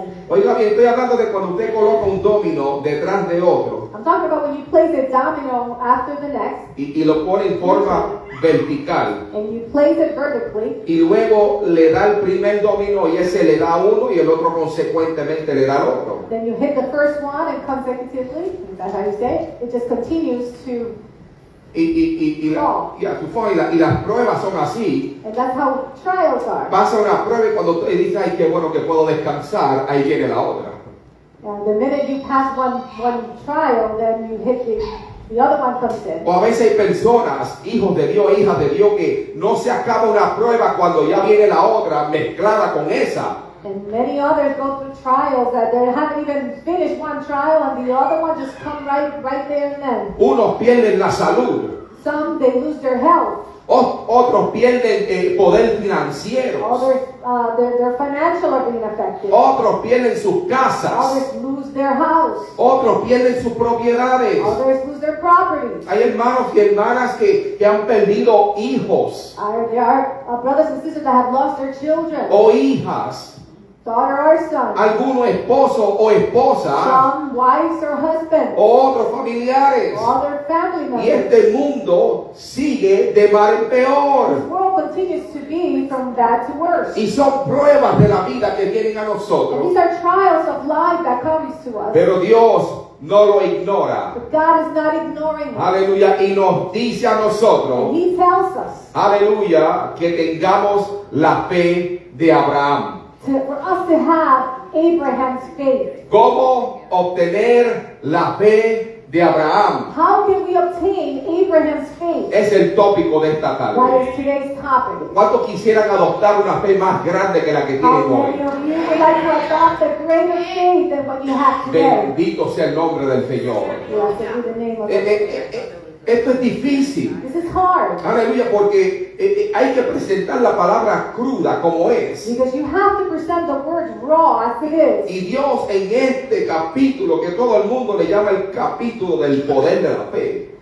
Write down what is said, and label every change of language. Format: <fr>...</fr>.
<es>Oiga bien, estoy hablando de cuando usted coloca un dominó detrás de otro.</es> <en>I'm talking about when you place a domino after the next.</en> <es>Y lo pone en forma vertical.</es> <en>And you place it vertically.</en> <es>Y luego le da el primer dominó y ese le da uno y el otro consecuentemente le da el otro.</es> <en>Then you hit the first one and consecutively, that's how you say it, it just continues to</en> <es>Y las pruebas son así.</es> <en>And that's how trials are.</en> <es>Pasa una prueba y cuando tú dices, ay, qué bueno que puedo descansar, ahí viene la otra.</es> <en>And the minute you pass one trial, then you hit the other one comes in.</en> <es>O a veces hay personas, hijos de Dios, hijas de Dios, que no se acaba una prueba cuando ya viene la otra mezclada con esa.</es> <en>And many others go through trials that they haven't even finished one trial and the other one just come right there and then.</en> <es>Unos pierden la salud.</es> <en>Some, they lose their health.</en> <es>Otros pierden el poder financiero.</es> <en>Their financial are being affected.</en> <es>Otros pierden sus casas.</es> <en>Others lose their house.</en> <es>Otros pierden sus propiedades.</es> <en>Others lose their property.</en> <es>Hay hermanos y hermanas que han perdido hijos.</es> <en>There are brothers and sisters that have lost their children.</en> <es>O hijas.</es> <en>Daughter or son.</en> <es>Alguno esposo o esposa.</es> <en>Some wives or husbands.</en> <es>O otros familiares.</es> <en>Or other family members.</en> <es>Y este mundo sigue de mal en peor.</es> <en>This world continues to be from bad to worse.</en> <es>Y son pruebas de la vida que vienen a nosotros.</es> <en>And these are trials of life that comes to us.</en> <es>Pero Dios no lo ignora.</es> <en>But God is not ignoring us.</en> <es>Aleluya. Y nos dice a nosotros.</es> <en>And he tells us.</en> <es>Aleluya. Que tengamos la fe de Abraham.</es> <en>For us to have Abraham's faith.</en> <es>¿Cómo obtener la fe de Abraham?</es> <en>How can we obtain Abraham's faith?</en> <es>Es el tópico de esta tarde.</es> <en>That is today's topic.</en> <es>¿Cuántos quisieran adoptar una fe más grande que la que tienen hoy?</es> <en>How many of you would like to adopt a greater faith than what you have today?</en> <es>Bendito sea el nombre del Señor.</es> <en>Blessed be the name of the Lord.</en> <es>Esto es difícil.</es> <en>This is hard.</en> <es>Aleluya, porque hay que presentar la palabra cruda como es.</es> <en>Because you have to present the words raw as it is.</en> <es>Y Dios en este capítulo, que todo el mundo le llama el capítulo del poder de la fe.</es>